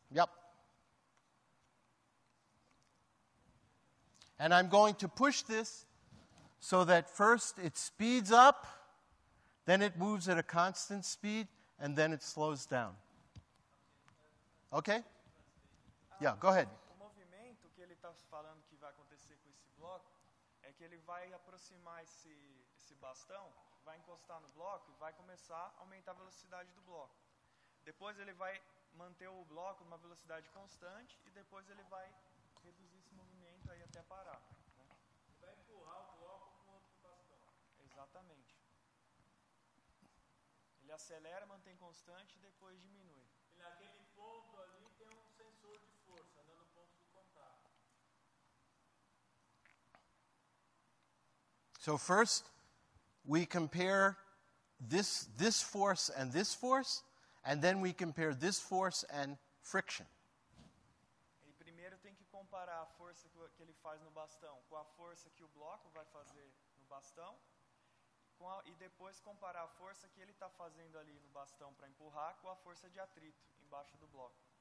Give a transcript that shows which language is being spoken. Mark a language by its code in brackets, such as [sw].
[en] Yep. And I'm going to push this so that first it speeds up, then it moves at a constant speed, and then it slows down. Okay? Yeah, go ahead. [pt] O movimento que ele está falando que vai acontecer com esse bloco é que ele vai aproximar esse bastão, vai encostar no bloco e vai começar a aumentar a velocidade do bloco. Depois ele vai manter o bloco numa velocidade constante e depois ele vai reduzir esse movimento aí até parar. Né? Ele vai empurrar o bloco com o outro bastão. Exatamente. Ele acelera, mantém constante e depois diminui. E naquele ponto ali tem um sensor de força, né, no ponto do contato. [en] So first, we compare this force and this force, and then we compare this force and friction. [pt] Ele primeiro tem que comparar a força que ele faz no bastão com a força que o bloco vai fazer no bastão, e depois comparar a força que ele está fazendo ali no bastão para empurrar com a força de atrito embaixo do bloco.